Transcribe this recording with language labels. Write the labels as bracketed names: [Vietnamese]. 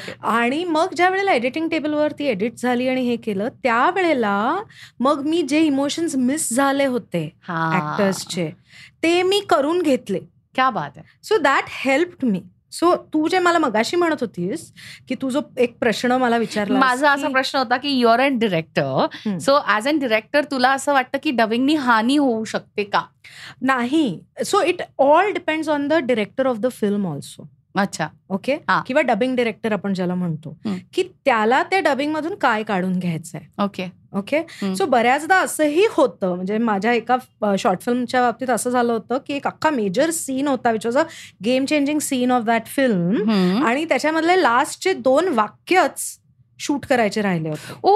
[Marathi] आणि मग ज्या वेळेला एडिटिंग टेबलवर ती एडिट झाली आणि हे केलं, त्यावेळेला मग मी जे इमोशन्स मिस झाले होते ऍक्टर्सचे ते मी करून घेतले. [Hindi] क्या बात [Marathi] आहे. [English] So that helped me. [Marathi] So तू जे मला मगाशी म्हणत होतीस की तू जो एक प्रश्न मला विचारला, माझा असा प्रश्न होता की [English] you are a director, [Marathi] so as a director तुला असं वाटतं की डबिंगनी हानी होऊ शकते का? नाही. [English] So it all depends on the director of the film also. [Hindi] अच्छा. [English] Okay. [Marathi] किंवा डबिंग डिरेक्टर आपण ज्याला म्हणतो की त्याला त्या डबिंग मधून काय काढून घ्यायचं आहे. [English] Okay okay. [Marathi] सो बऱ्याचदा असंही होतं, म्हणजे माझ्या एका शॉर्ट फिल्मच्या बाबतीत असं झालं होतं की एक अख्खा मेजर सीन होता [English] which was a game changing scene of that film [Marathi] आणि त्याच्यामधले लास्टचे दोन वाक्यच शूट करायचे राहिले होते.